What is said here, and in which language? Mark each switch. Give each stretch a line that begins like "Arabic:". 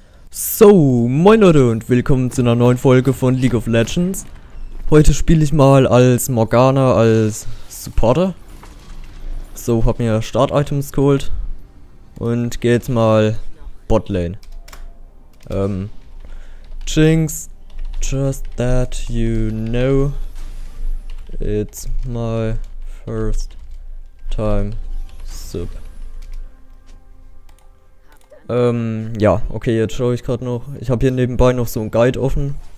German: So, moin Leute und willkommen zu einer neuen Folge von League of Legends. Heute spiele ich mal als Morgana, als Supporter. So, hab mir Start-Items geholt und geh jetzt mal Botlane.
English: Jinx, just that you know, it's my first time sub.
German: Ja, okay, jetzt schaue ich gerade noch. Ich habe hier nebenbei noch so ein Guide offen.